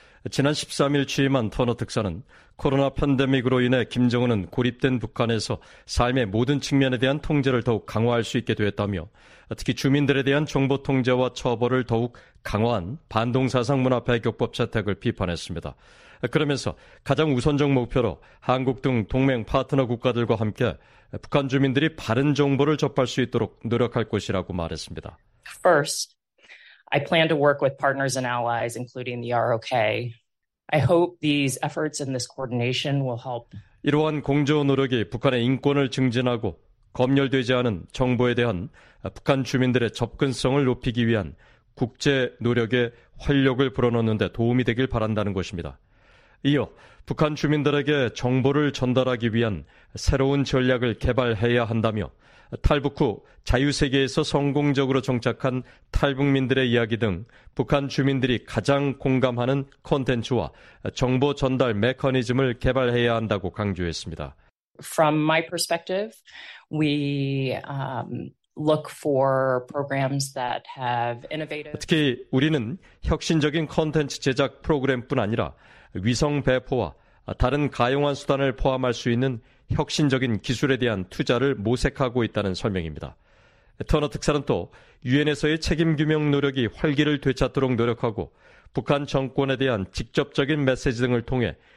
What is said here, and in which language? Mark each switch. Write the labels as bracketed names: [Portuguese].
[Korean] 지난 13일 취임한 터너 특사는 코로나 팬데믹으로 인해 김정은은 고립된 북한에서 삶의 모든 측면에 대한 통제를 더욱 강화할 수 있게 되었다며 특히 주민들에 대한 정보 통제와 처벌을 더욱 강화한 반동사상 문화 배격법 채택을 비판했습니다. 그러면서 가장 우선적 목표로 한국 등 동맹 파트너 국가들과 함께 북한 주민들이 바른 정보를 접할 수 있도록 노력할 것이라고 말했습니다. [English] First, I plan to work with partners and allies, including the ROK. I hope these efforts and this coordination will help. [Korean] 이러한 공조 노력이 북한의 인권을 증진하고 검열되지 않은 정보에 대한 북한 주민들의 접근성을 높이기 위한 국제 노력의 활력을 불어넣는 데 도움이 되길 바란다는 것입니다. 이어 북한 주민들에게 정보를 전달하기 위한 새로운 전략을 개발해야 한다며 탈북 후 자유세계에서 성공적으로 정착한 탈북민들의 이야기 등 북한 주민들이 가장 공감하는 콘텐츠와 정보 전달 메커니즘을 개발해야 한다고 강조했습니다. [English] From my perspective, we look for programs that have innovative. [Korean] 특히 우리는 혁신적인 콘텐츠 제작 프로그램뿐 아니라 위성 배포와 다른 가용한 수단을 포함할 수 있는 혁신적인 기술에 대한 투자를 모색하고 있다는 설명입니다. 터너 특사는 또 유엔에서의 책임규명 노력이 활기를 되찾도록 노력하고 북한 정권에 대한 직접적인 메시지 등을 통해